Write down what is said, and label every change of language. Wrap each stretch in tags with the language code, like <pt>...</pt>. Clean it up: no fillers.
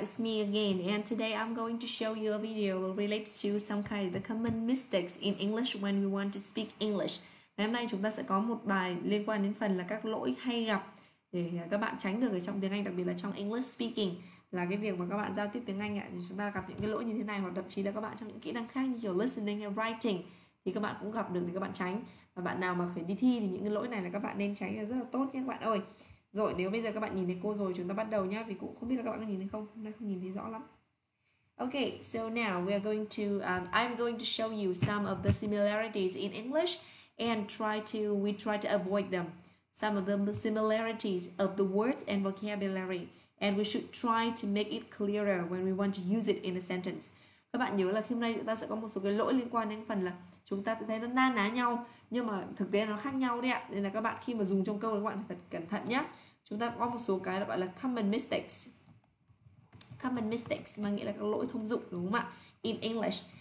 <en>It's me again, and today I'm going to show you a video related to some kind of the common mistakes in English when we want to speak English.</en> <vi>Ngày hôm nay chúng ta sẽ có một bài liên quan đến phần là các lỗi hay gặp để các bạn tránh được ở trong tiếng Anh, đặc biệt là trong</vi> <en>English speaking,</en> <vi>là cái việc mà các bạn giao tiếp tiếng Anh ạ, thì chúng ta gặp những cái lỗi như thế này, hoặc thậm chí là các bạn trong những kỹ năng khác như kiểu listening hay writing thì các bạn cũng gặp được để các bạn tránh. Và bạn nào mà phải đi thi thì những cái lỗi này là các bạn nên tránh là rất là tốt nhé các bạn ơi. Rồi nếu bây giờ các bạn nhìn thấy cô rồi chúng ta bắt đầu nhá, vì cũng không biết là các bạn có nhìn thấy không, hôm nay không nhìn thấy rõ lắm.</vi> <en>Ok, so now we are going to I'm going to show you some of the similarities in English and try to avoid them. Some of the similarities of the words and vocabulary, and we should try to make it clearer when we want to use it in a sentence.</en> <vi>Các bạn nhớ là khi hôm nay chúng ta sẽ có một số cái lỗi liên quan đến phần là chúng ta thấy nó na ná nhau, nhưng mà thực tế nó khác nhau đấy ạ. Nên là các bạn khi mà dùng trong câu các bạn phải thật cẩn thận nhé. Chúng ta có một số cái gọi là common mistakes. Common mistakes mà nghĩa là các lỗi thông dụng đúng không ạ?</vi> <en>In English.</en>